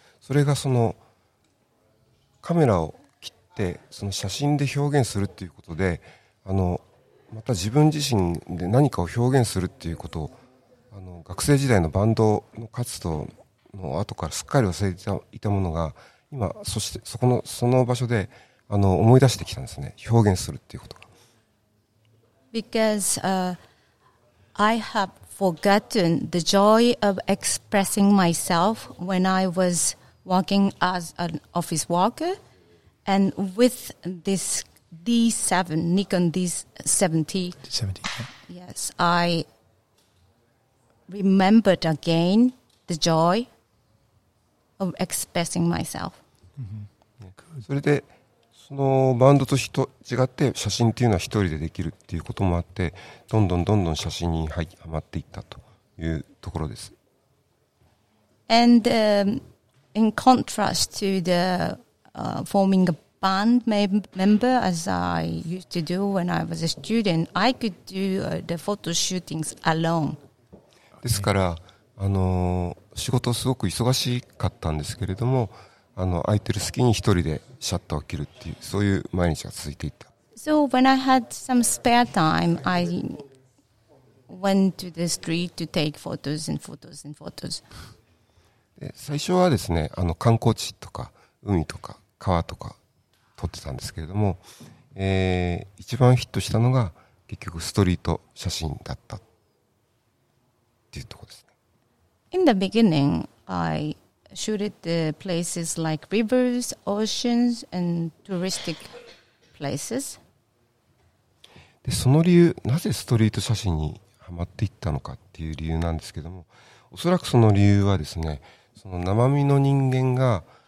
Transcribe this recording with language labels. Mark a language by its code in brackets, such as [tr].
[ja] それがそのカメラを切ってその写真で表現するっていうことで、また自分自身で何かを表現するっていうことを学生時代のバンドの活動の後からすっかり忘れていたものが今そしてその場所で思い出してきたんですね。表現するっていうことが。 [en] Because I have forgotten the joy of expressing myself when I was working as an office worker, and with this Nikon D70. Yes, I. Remembered again the joy of expressing myself. [ja] それでそのバンドと人違って写真っていうのは一人でできるっていうこともあって、どんどんどんどん写真にはまっていったというところです。 [en] And in contrast to the forming a band member as I used to do when I was a student, I could do the photo shootings alone. [ja] ですから仕事すごく忙しかったんですけれども、空いてる隙に一人でシャッターを切るっていう、そういう毎日が続いていた。 [en] So when I had some spare time, I went to the street to take photos and photos and photos. [ja] で、最初はですね、観光地とか海とか川とか撮ってたんですけれども、一番ヒットしたのが結局ストリート写真だった。 [en] In the beginning, I shooted the places like rivers, oceans, and touristic places. [ja] で、その理由、なぜストリート写真にハマっていったのかっていう理由なんですけども、おそらくその理由はですね、その生身の人間が、